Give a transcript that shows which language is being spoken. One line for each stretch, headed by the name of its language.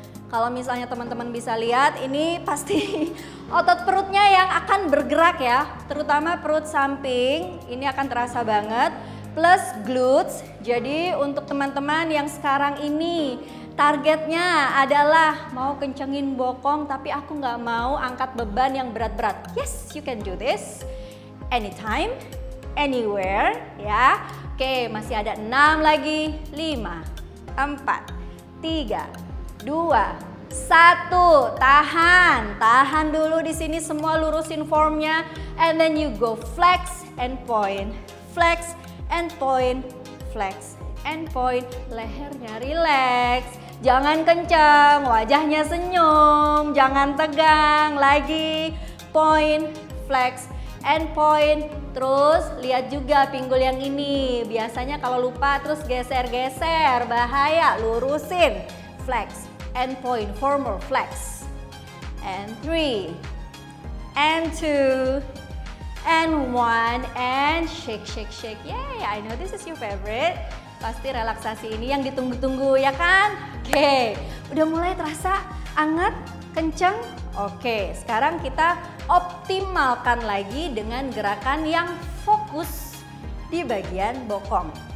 Indonesian: Kalau misalnya teman-teman bisa lihat, ini pasti otot perutnya yang akan bergerak ya. Terutama perut samping, ini akan terasa banget. Plus glutes, jadi untuk teman-teman yang sekarang ini targetnya adalah mau kencengin bokong tapi aku gak mau angkat beban yang berat-berat.
English: Yes, you can do this anytime, anywhere ya.
Indonesian: Oke, masih ada 6 lagi. 5, 4, 3, 2, 1. Tahan, tahan dulu di sini semua, lurusin formnya.
English: And then you go flex and point, flex and point, flex and point.
Indonesian: Lehernya relax. Jangan kencang, wajahnya senyum, jangan tegang, lagi point,
English: flex, and point.
Indonesian: Terus lihat juga pinggul yang ini, biasanya kalau lupa terus geser-geser, bahaya, lurusin.
English: Flex, and point, formal, flex, and three, and two, and one, and shake, shake, shake. Yay, I know this is your favorite.
Indonesian: Pasti relaksasi ini yang ditunggu-tunggu, ya kan? Oke, okay. Udah mulai terasa anget, kenceng? Oke, okay. Sekarang kita optimalkan lagi dengan gerakan yang fokus di bagian bokong.